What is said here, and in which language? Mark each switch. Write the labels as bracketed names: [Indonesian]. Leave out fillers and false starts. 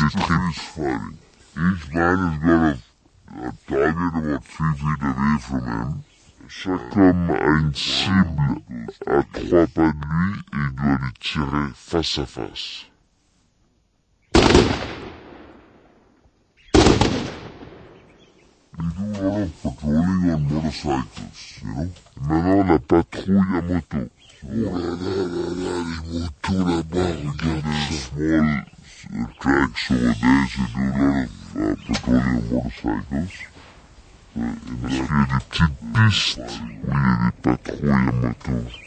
[English] tripes. Each man has got a target about 3 feet away from him. [French] Chaque homme a une cible à 3 pas de lui et il doit les tirer face à face. [English] They do a lot of patrolling on motorcycles, you know? [French] Maintenant, la patrouille à moto. Oh, les motos là-bas, regarde ça. [English] Small tracks over there, they do a lot of patrolling on motorcycles. [French] Parce qu'il y a des petites pistes où il y a des patrouilles à moto.